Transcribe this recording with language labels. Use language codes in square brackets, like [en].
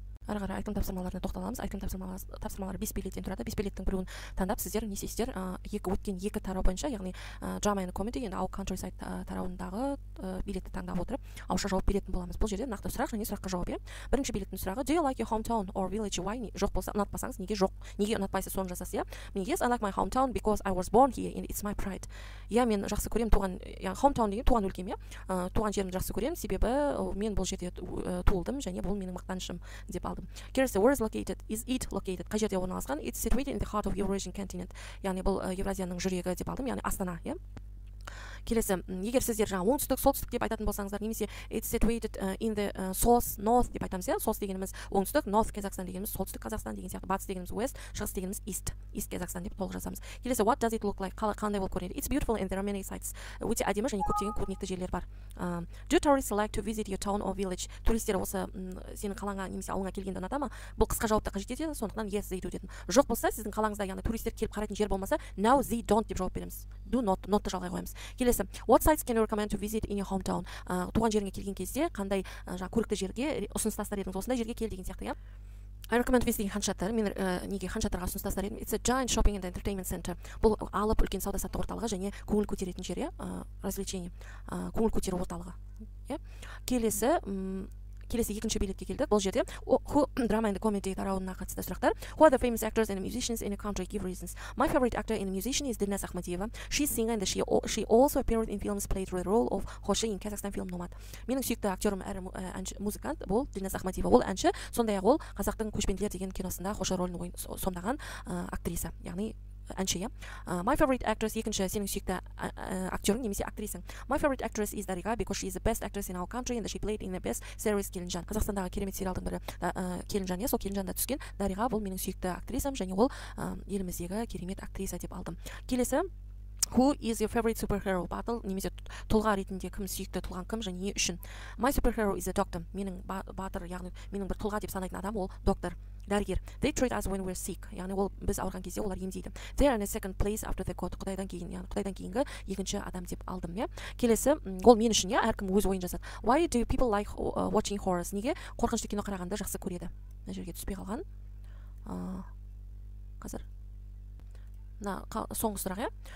[kk] Әрі қарай айтылым тапсырмаларына тоқталамыз. Айтылым тапсырмалары 5 билеттен тұрады. 5 билеттің біреуін таңдап, сіздер не істейсіздер? Екі тарау бойынша, яғни [en] drama and comedy, and our countryside [kk] тарауындағы билетті таңдап отырып, ауызша жауап беретін боламыз. Бұл жерде нақты сұрақ және сұраққа жауап, иә? Бірінші билеттің сұрағы: [en] Do you like your hometown or village? Why? [kk] Жоқ болса, ұнатпасаңыз, неге жоқ? Неге ұнатпайсыз, соны жазасыз, иә? Мен [en] yes, I like my hometown because I was born here and it's my pride. [kk] Иә, мен жақсы көремін туған, яғни hometown деген туған өлкем, иә? Туған жерімді жақсы көремін, себебі мен бұл жерде туылдым және бұл менің мақтанышым деп [en] Here's where is located? Is it located? [kk] Қай жерде орналасқан? [en] It's situated in the heart of Eurasian continent. [kk] Яғни бұл Евразияның жүрегі деп алдым, яғни Астана, иә? Келесі, егер сіздер жаңа оңтүстік, солтүстік деп айтатын болсаңыздар, немесе [en] it's situated in the source, north [kk] деп айтамыз, иә? Source дегеніміз оңтүстік, north Қазақстан дегеніміз солтүстік Қазақстан деген сияқты, батыс дегеніміз west, шығыс дегеніміз east, east Қазақстан деп толық жазамыз. Келесі, [en] what does it look like? [kk] Қандай болып көрінеді? [en] It's beautiful and there are many sites. [kk] Өте әдемі және көптеген көрнекті жерлер бар. [en] Do tourists like to visit your town or village? [kk] Туристер осы сенің қалаңа немесе ауылыңа келгенде ұната ма? Бұл қысқа жауапты қажет етеді, сондықтан [en] yes they do [kk] дедім. Жоқ болса, сіздің қалаңызда яғни туристер келіп қарайтын жер болмаса, [en] no they don't [kk] деп жауап береміз. Do not, not-ты жалғай қоямыз. Келесі, [en] what sites can you recommend to visit in your hometown? [kk] Туған жеріңе келген кезде қандай жаңа көрікті жерге ұсыныс тастар едіңіз? Осындай жерге кел деген сияқты, иә? [en] I recommend visiting Ханшатар. [kk] Мен неге Ханшатарға ұсыныс тастар едім? [en] It's a giant shopping and entertainment center. [kk] Бұл алып үлкен сауда-саттық орталығы және көңіл көтеретін жер, иә? Развлечение. Көңіл көтеру орталығы. Иә? Келесі екінші билетке келдік. Бұл жерде [en] drama and comedy [kk] тарауына қатысты сұрақтар. [en] Who are the famous actors and musicians in a country? Give reasons. My favorite actor and musician is Dilnaz Ahmadiyeva. She's singer and she also appeared in films played the role of Hoshe in Kazakhstan film Nomad. [kk] Менің сүйікті актерім әрі музыкант бұл Dilnaz Ahmadiyeva. Ол әнші, сондай-ақ ол Қазақтың көшпенділер деген киносында Hoshe рөлін сомдаған актриса. Яғни әнші, иә? [en] My favorite actress, [kk] екінші сенің сүйікті актерің немесе актрисаң. [en] My favorite actress is Дариға, because she is the best actress in our country and she played in the best series Келінжан. [kk] Қазақстандағы керемет сериалдың бірі Келінжан, иә? Сол Келінжанда түскен Дариға бұл менің сүйікті актрисам және ол еліміздегі керемет актриса деп алдым. Келесі, [en] Who is your favorite superhero? [kk] Батыл немесе тұлға ретінде кім сүйікті тұлғаң кім және не үшін? [en] My superhero is a doctor. [kk] Менің батыр, яғни менің бір тұлға деп санайтын адам ол доктор. Дәрігер. [en] They treat us when we're sick. [kk] Яғни ол біз ауырған кезде олар емдейді. [en] They are in a second place after the God. [kk] Құдайдан кейін, яғни Құдайдан кейінгі екінші адам деп алдым, иә? Келесі, ол мен үшін, иә, әркім өз ойын жазады. [en] Why do people like watching horrors? [kk] Неге қорқынышты кино қарағанды жақсы көреді? Мына жерге түспей қалған. Қазір. Мына соңғы сұрақ, иә?